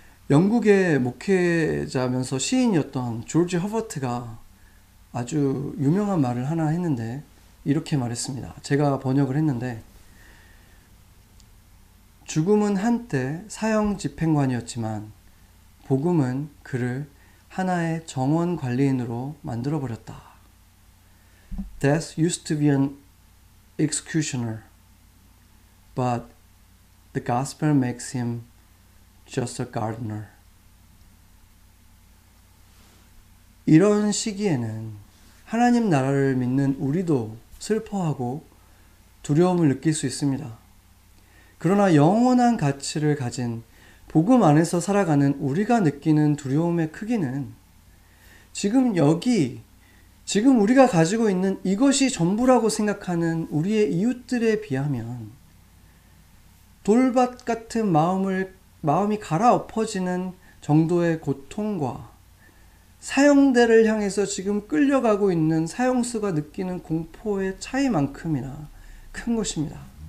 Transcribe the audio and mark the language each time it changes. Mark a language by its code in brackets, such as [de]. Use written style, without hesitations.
[ko] 영국의 목회자면서 시인이었던 조지 허버트가 아주 유명한 말을 하나 했는데 이렇게 말했습니다. 제가 번역을 했는데, 죽음은 한때 사형 집행관이었지만 복음은 그를 하나의 정원 관리인으로 만들어 버렸다. [en] Death used to be an executioner, but the gospel makes him just a gardener. [ko] 이런 시기에는 하나님 나라를 믿는 우리도 슬퍼하고 두려움을 느낄 수 있습니다. 그러나 영원한 가치를 가진 복음 안에서 살아가는 우리가 느끼는 두려움의 크기는 지금 여기, 지금 우리가 가지고 있는 이것이 전부라고 생각하는 우리의 이웃들에 비하면 돌밭 같은 마음이 갈아엎어지는 정도의 고통과 사형대를 향해서 지금 끌려가고 있는 사형수가 느끼는 공포의 차이만큼이나 큰 것입니다.